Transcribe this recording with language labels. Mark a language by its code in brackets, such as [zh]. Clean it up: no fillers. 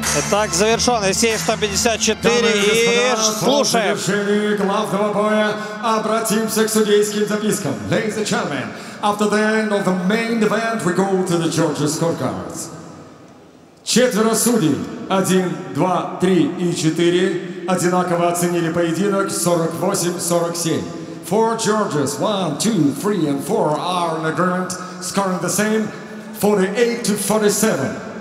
[ru] Так, завершен. Эсей 154. Дамы и господа, слушаем. После завершения главного боя обратимся к судейским запискам. [en] Ladies and gentlemen, after the end of the main event, we go to the judges' scorecards. [ru] Четверо судей. 1, 2, 3 и 4 одинаково оценили поединок 48-47. [en] Four judges, 1, 2, 3 and 4 are in agreement, scoring the same 48-47.